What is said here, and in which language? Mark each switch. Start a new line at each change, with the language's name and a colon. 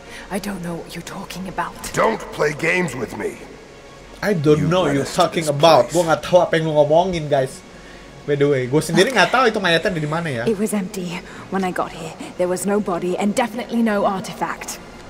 English: I don't know what you're talking about. Don't play games with me. I don't know what you're talking about.
Indonesian: Gua enggak tahu apa yang lu ngomongin, guys.
English: By the way,
Indonesian: gua sendiri enggak tahu itu mayatnya ada di mana ya.
English: It was empty when I got here. There was no body and definitely no artifact.